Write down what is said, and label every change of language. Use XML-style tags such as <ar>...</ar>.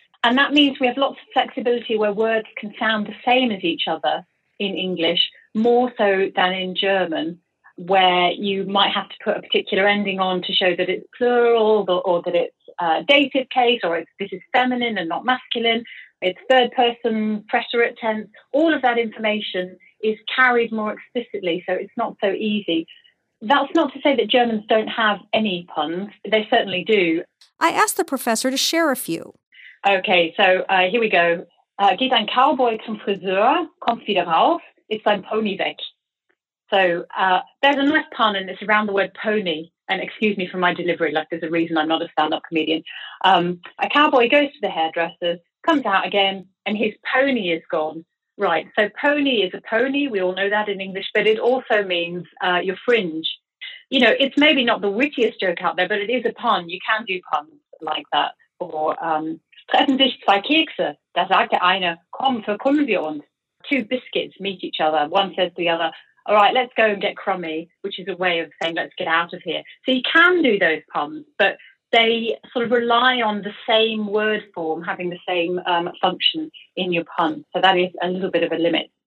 <en>And that means we have lots of flexibility where words can sound the same as each other in English, more so than in German, where you might have to put a particular ending on to show that it's plural or that it's a dative case or this is feminine and not masculine. It's third person, preterite tense. All of that information is carried more explicitly, so it's not so easy. That's not to say that Germans don't have any puns. They certainly do. I asked the professor to share a few. Okay, so here we go.</en> <de>Geht ein Cowboy zum Friseur, kommt wieder raus, ist sein Pony weg.</de> <en>So there's a nice pun, and it's around the word pony. And excuse me for my delivery, like there's a reason I'm not a stand-up comedian. A cowboy goes to the hairdresser, comes out again, and his pony is gone. Right, so pony is a pony, we all know that in English, but it also means your fringe. You know, it's maybe not the wittiest joke out there, but it is a pun. You can do puns like that.</en> <de>Or, treffen sich zwei Kekse, da sagt der eine, komm, verkunden wir uns.</de> <en>Two biscuits meet each other, one says to the other, all right, let's go and get crummy, which is a way of saying, let's get out of here. So you can do those puns, but they sort of rely on the same word form having the same function in your pun. So that is a little bit of a limit.</en>